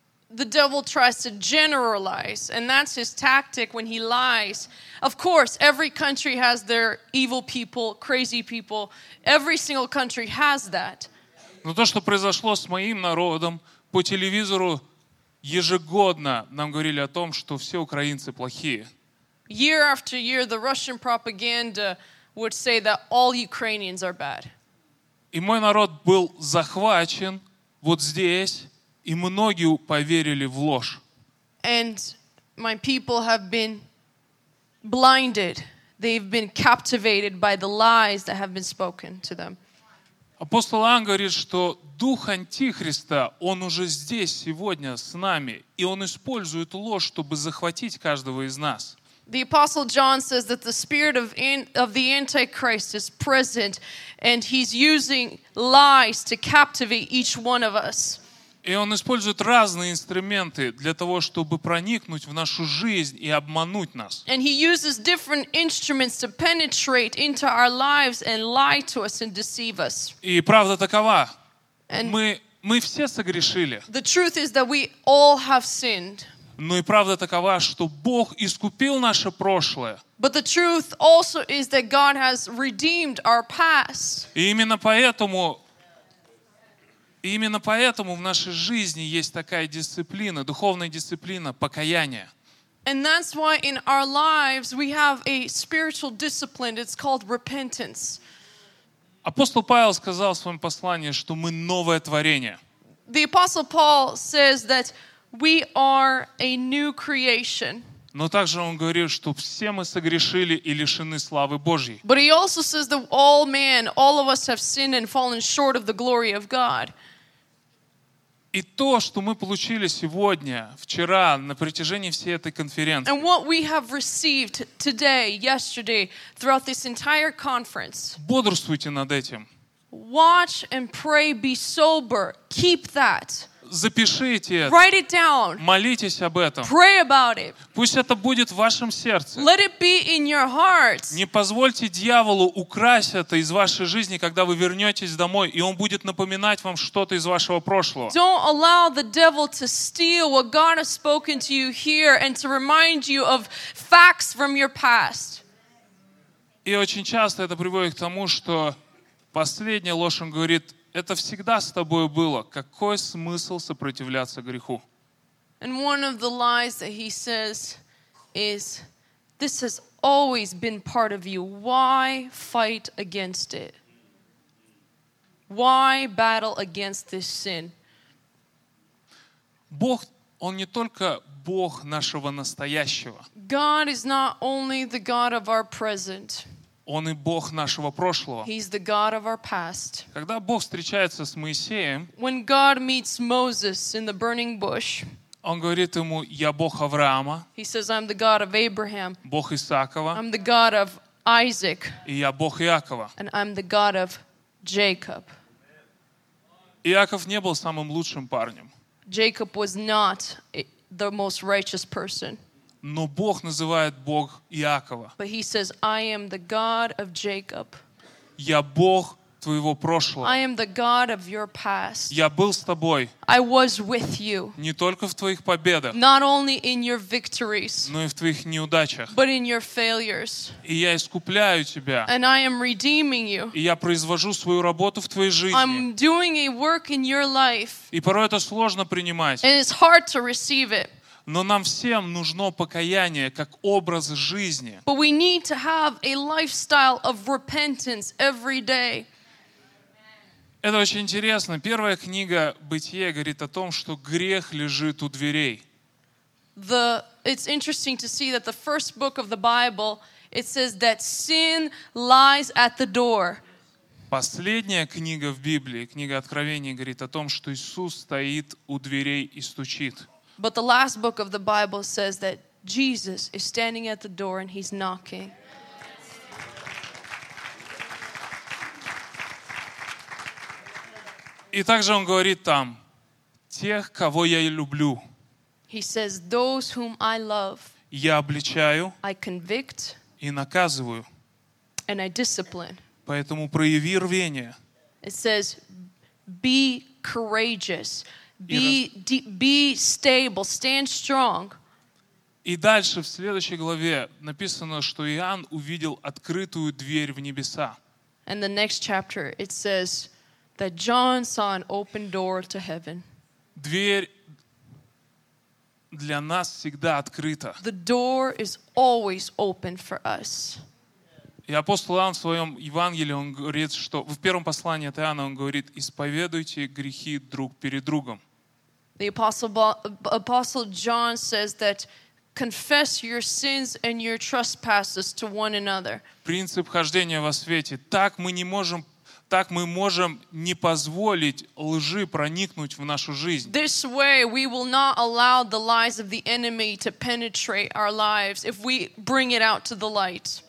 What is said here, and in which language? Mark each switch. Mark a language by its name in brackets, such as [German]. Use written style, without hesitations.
[English] The devil tries to generalize, and that's his tactic when he lies. Of course, every country has their evil people, crazy people. Every single country has that. [Russian] Но то, что произошло с моим народом, по телевизору ежегодно нам говорили о том, что все украинцы плохие. [English] Year after year, the Russian propaganda would say that all Ukrainians are bad. [Russian] И мой народ был захвачен вот здесь, и многие поверили в ложь. [English] And my people have been blinded. They've been captivated by the lies that have been spoken to them. [Russian] Апостол Иоанн говорит, что дух Антихриста, он уже здесь сегодня с нами, и он использует ложь, чтобы захватить каждого из нас. [English] The Apostle John says that the spirit of the Antichrist is present, and he's using lies to captivate each one of us. [Russian] И он использует разные инструменты для того, чтобы проникнуть в нашу жизнь и обмануть нас. [English] And he uses different instruments to penetrate into our lives and lie to us and deceive us. [Russian] И правда такова. Мы все согрешили. [English] The truth is that we all have sinned. [Russian] Но и правда такова, что Бог искупил наше прошлое. [English] But the truth also is that God has redeemed our past. [Russian] И именно поэтому... И именно поэтому в нашей жизни есть такая дисциплина, духовная дисциплина, покаяние. [English] And that's why in our lives we have a spiritual discipline. It's called repentance. [Russian] Апостол Павел сказал в своем послании, что мы новое творение. [English] The Apostle Paul says that we are a new creation. [Russian] Но также он говорит, что все мы согрешили и лишены славы Божьей. [English] But he also says that all men, all of us have sinned and fallen short of the glory of God. [Russian] И то, что мы получили сегодня, вчера, на протяжении всей этой конференции. [English] And what we have received today, yesterday, throughout this entire conference. [Russian] Бодрствуйте над этим. [English] Watch and pray, be sober, keep that. [Russian] Запишите это. [English] Write it down. [Russian] Молитесь об этом. [English] Pray about it. [Russian] Пусть это будет в вашем сердце. [English] Let it be in your heart. [Russian] Не позвольте дьяволу украсть это из вашей жизни, когда вы вернетесь домой, и он будет напоминать вам что-то из вашего прошлого. [English] Don't allow the devil to steal what God has spoken to you here and to remind you of facts from your past. [Russian] И очень часто это приводит к тому, что последняя ложь, он говорит, это всегда с тобой было. Какой смысл сопротивляться греху? [English] And one of the lies that he says is, this has always been part of you. Why fight against it? Why battle against this sin? [Russian] Бог, он не только Бог нашего настоящего. [English] God is not only the God of our present. [Russian] Он и Бог нашего прошлого. [English] He's the God of our past. [Russian] Когда Бог встречается с Моисеем, [English] when God meets Moses in the burning bush, [Russian] он говорит ему, я Бог Авраама. [English] He says, I'm the God of Abraham. [Russian] Бог Исаакова. [English] I'm the God of Isaac. [Russian] И я Бог Иакова. [English] And I'm the God of Jacob. [Russian] Иаков не был самым лучшим парнем. [English] Jacob was not the most righteous person. [Russian] Но Бог называет Бог Иакова. [English] But he says, I am the God of Jacob. [Russian] Я Бог твоего прошлого. [English] I am the God of your past. [Russian] Я был с тобой. [English] I was with you. [Russian] Не только в твоих победах. [English] Not only in your victories. [Russian] Но и в твоих неудачах. [English] But in your failures. [Russian] И я искупляю тебя. [English] And I am redeeming you. [Russian] И я произвожу свою работу в твоей жизни. [English] I'm doing a work in your life. [Russian] И порой это сложно принимать. [English] And it's hard to receive it. [Russian] Но нам всем нужно покаяние как образ жизни. [English] But we need to have a lifestyle of repentance every day. [Russian] Это очень интересно. Первая книга Бытие говорит о том, что грех лежит у дверей. [English] It's interesting to see that the first book of the Bible, it says that sin lies at the door. [Russian] Последняя книга в Библии, книга Откровения, говорит о том, что Иисус стоит у дверей и стучит. [English] But the last book of the Bible says that Jesus is standing at the door and he's knocking. [Russian] И также он говорит там, тех, кого я люблю. [English] He says, those whom I love. [Russian] Я обличаю. [English] I convict. [Russian] И наказываю. [English] And I discipline. [Russian] Поэтому прояви рвение. [English] It says, be courageous. Be stable, stand strong. [Russian] И дальше в следующей главе написано, что Иоанн увидел открытую дверь в небеса. [English] And the next chapter it says that John saw an open door to heaven. [Russian] Для нас всегда открыта. [English] The door is always open for us. [Russian] И апостол Иоанн в своем Евангелии, он говорит, что в первом послании от Иоанна, он говорит, исповедуйте грехи друг перед другом. [English] The apostle John says that confess your sins and your trespasses to one another. [Russian] Принцип хождения во свете. Так мы можем не позволить лжи проникнуть в нашу жизнь. [English] This way we will not allow the lies of the enemy to penetrate our lives if we bring it out to the light.